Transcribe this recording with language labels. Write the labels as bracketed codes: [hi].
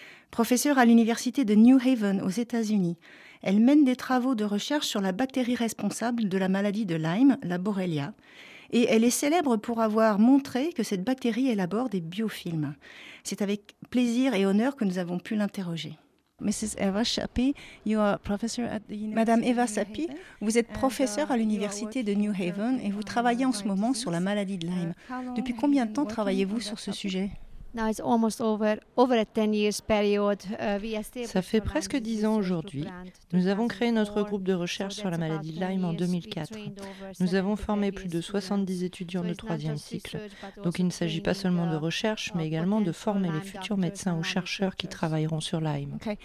[fr] Professeure à l'université de New Haven aux États-Unis. Elle mène des travaux de recherche sur la bactérie responsable de la maladie de Lyme, la Borrelia, et elle est célèbre pour avoir montré que cette bactérie élabore des biofilms. C'est avec plaisir et honneur que nous avons pu l'interroger. [en] Mrs. Eva Chapi, you are professor at the University. [fr] Madame Eva Chapi, vous êtes professeure à l'université de New Haven et vous travaillez en ce moment sur la maladie de Lyme. Depuis combien de temps travaillez-vous sur ce sujet? [en] Now it's almost over a 10 years period. [fr] Ça fait presque 10 ans aujourd'hui. Nous avons créé notre groupe de recherche sur la maladie de Lyme en 2004. Nous avons formé plus de 70 étudiants de troisième cycle. Donc il ne s'agit pas seulement de recherche, mais également de former les futurs médecins ou chercheurs qui travailleront sur Lyme.